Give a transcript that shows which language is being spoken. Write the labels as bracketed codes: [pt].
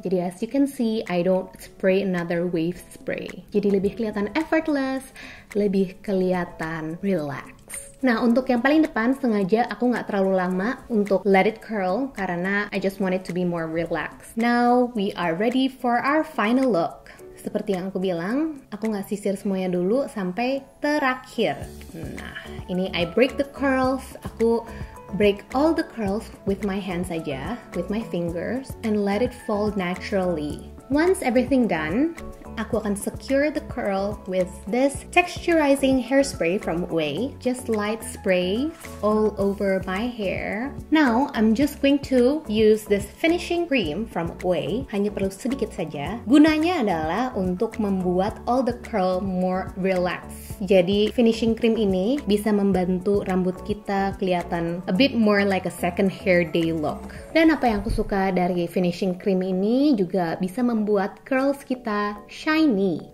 [id] Jadi [en] as you can see, I don't spray another wave spray. [id] Jadi lebih kelihatan effortless, lebih kelihatan relaxed. Nah, untuk yang paling depan, sengaja aku nggak terlalu lama untuk [en] let it curl, [id] karena [en] I just want it to be more relaxed. Now, we are ready for our final look. [id] Seperti yang aku bilang, aku nggak sisir semuanya dulu sampai terakhir. Nah, ini [en] I break the curls. [id] Aku [en] break all the curls with my hands [id] aja, [en] with my fingers, and let it fall naturally. Once everything done, [id] aku akan [en] secure the curl with this texturizing hairspray from Way. Just light spray all over my hair. Now, I'm just going to use this finishing cream from Way. [id] Hanya perlu sedikit saja. Gunanya adalah untuk membuat [en] all the curl more relaxed. [id] Jadi, [en] finishing cream [id] ini bisa membantu rambut kita kelihatan [en] a bit more like a second hair day look. [id] Dan apa yang aku suka dari finishing cream ini juga bisa membuat curls kita shiny.